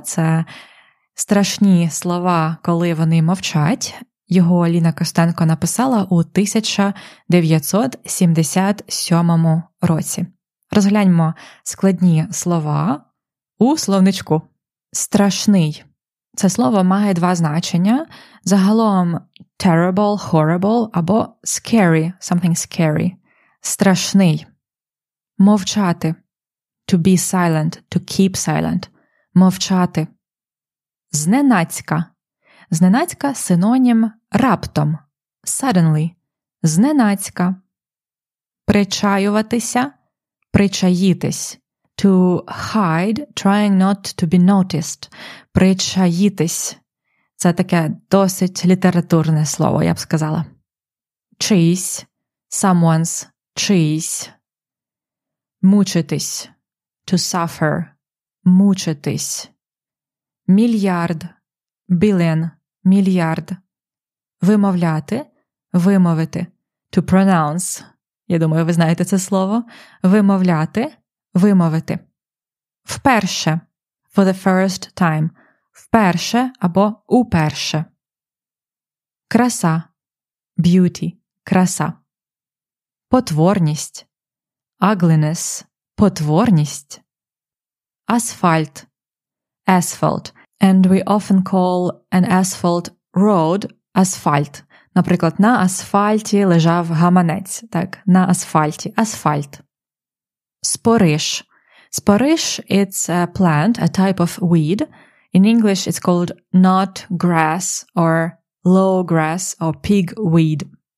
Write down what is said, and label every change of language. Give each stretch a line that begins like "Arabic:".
Ukrainian: Це «Страшні слова, коли вони мовчать». Його Ліна Костенко написала у 1977 році. Розгляньмо складні слова у словничку. «Страшний» – це слово має два значення.
English: Загалом «terrible», «horrible» або «scary», «something scary».
Ukrainian: «Страшний» – «мовчати».
English: To be silent, to keep silent, мовчати.
Ukrainian: Зненацька. Зненацька – синонім раптом, suddenly. Зненацька. Причаюватися, причаїтись.
English: To hide, trying not to be noticed.
Ukrainian: Причаїтись. Це таке досить літературне слово, я б сказала. Чийсь, someone's, чийсь. Мучитись, to suffer, мучитись. Мільярд, billion, мільярд. Вимовляти, вимовити, to pronounce. Я думаю, ви знаєте це слово. Вимовляти, вимовити.
English: Вперше, for the first time.
Ukrainian: Вперше або уперше. Краса, beauty, краса. Потворність, ugliness, потворність. Асфальт, asphalt.
English: And we often call an asphalt road асфальт.
Ukrainian: Наприклад, на асфальті лежав гаманець. Так, на асфальті, асфальт. Спориш.
English: Спориш – it's a plant, a type of weed. In English, it's called knot grass or low grass or pig weed.